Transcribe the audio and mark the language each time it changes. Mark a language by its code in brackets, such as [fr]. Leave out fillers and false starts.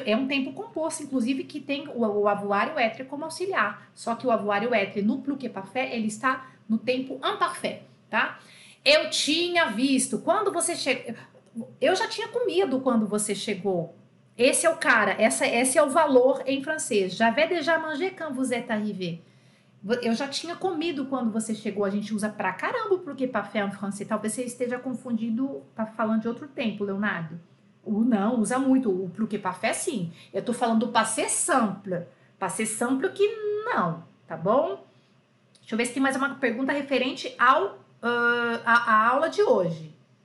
[pt] É um tempo composto, inclusive, que tem o avoir e o être como auxiliar. Só que o avoir e o être no Pluguê-Parfait, ele está no tempo imparfait, tá? Eu tinha visto. Quando você chega. Eu já tinha comido quando você chegou. Esse é o cara. Esse é o valor em francês. [fr] J'avais déjà mangé quand vous êtes arrivé. [pt] Eu já tinha comido quando você chegou. A gente usa pra caramba o Pluguê-Parfait em francês. Talvez você esteja confundido, tá falando de outro tempo, Leonardo. Não, usa muito. O Pluguê-Parfait, sim. Eu tô falando do passé simple. Passé simple que não, tá bom? Deixa eu ver se tem mais uma pergunta referente à aula de hoje.